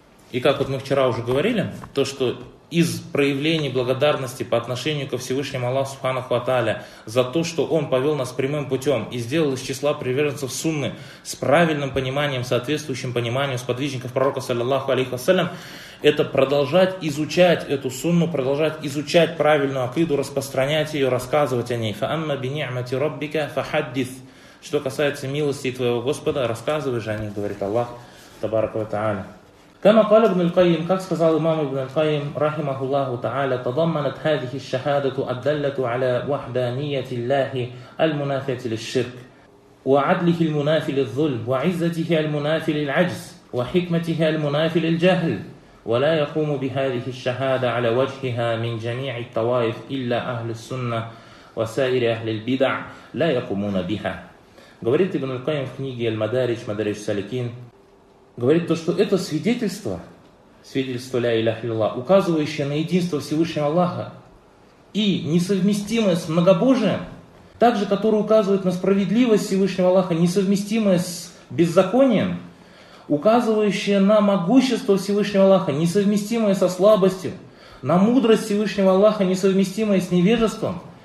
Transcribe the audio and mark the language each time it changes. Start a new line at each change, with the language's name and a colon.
Russian: И как вот мы вчера уже говорили, то, что из проявлений благодарности по отношению ко Всевышнему Аллаху Субханаху ва Тааля за то, что Он повел нас прямым путем и сделал из числа приверженцев Сунны с правильным пониманием, соответствующим пониманием сподвижников пророка, саллиллаху алейхи вассалям, это продолжать изучать эту Сунну, продолжать изучать правильную акиду, распространять ее, рассказывать о ней.
Arabic: «Фаамма би ни'мати раббика фахаддис».
Russian: Что касается милости твоего Господа, рассказывай же о ней, говорит Аллах, табарак ва тааля.
Arabic: كما قال ابن القيم,
Russian: как сказал имам
Arabic: ابن القيم رحمه الله تعالى, تضمنت هذه الشهادة الدالة على وحدانية الله المنافية للشرك وعدله المنافي للظلم وعزته المنافي للعجز وحكمته المنافي للجهل ولا يقوم بهذه الشهادة على وجهها من جميع الطوائف إلا أهل السنة وسائر أهل البدع لا يقومون بها.
Russian: Говорит Ибн аль-Кайм в книге «Аль-Мадарич», «Мадарич Салекин», говорит то, что это свидетельство, свидетельство «Ля Иляха Илля», указывающее на единство Всевышнего Аллаха и несовместимое с многобожием, также которое указывает на справедливость Всевышнего Аллаха, несовместимое с беззаконием, указывающее на могущество Всевышнего Аллаха, несовместимое со слабостью, на мудрость Всевышнего Аллаха, несовместимое с невежеством,